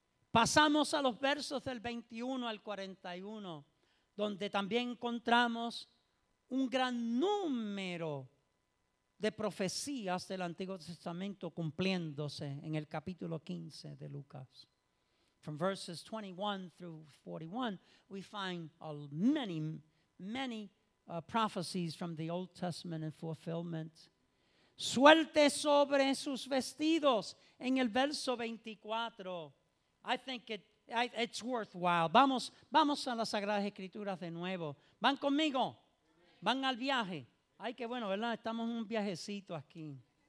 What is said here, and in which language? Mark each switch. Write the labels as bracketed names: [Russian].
[Spanish] Pasamos a los versos del 21 al 41, donde también encontramos un gran número de profecías del Antiguo Testamento cumpliéndose en el capítulo 15 de Lucas. [English] From verses 21 through 41, we find many prophecies from the Old Testament and fulfillment. [Spanish] Suelte sobre sus vestidos en el verso 24. [English] I think it's worthwhile. [Spanish] Vamos a las Sagradas Escrituras de nuevo. ¿Van conmigo? ¿Van al viaje? Ay, qué bueno, ¿verdad? Estamos en un viajecito aquí.